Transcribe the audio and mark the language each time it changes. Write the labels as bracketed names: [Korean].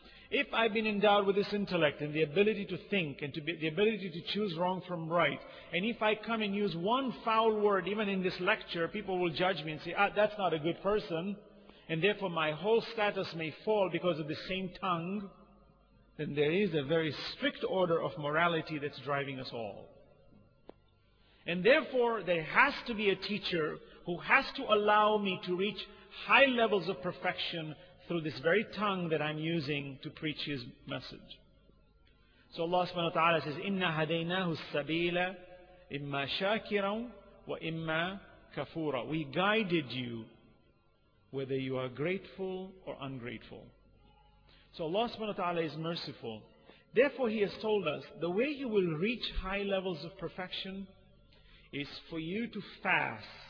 [English] If I've been endowed with this intellect and the ability to think and the ability to choose wrong from right, and if I come and use one foul word, even in this lecture, people will judge me and say, ah, that's not a good person, and therefore my whole status may fall because of the same tongue, then there is a very strict order of morality that's driving us all. And therefore, there has to be a teacher who has to allow me to reach high levels of perfection through this very tongue that I'm using to preach his message. So Allah subhanahu wa ta'ala says, [Arabic] إِنَّ هَدَيْنَاهُ السَّبِيلَ إِمَّا شَاكِرًا وَإِمَّا كَفُورًا. [English] We guided you whether you are grateful or ungrateful. So Allah subhanahu wa ta'ala is merciful. Therefore he has told us, the way you will reach high levels of perfection is for you to fast.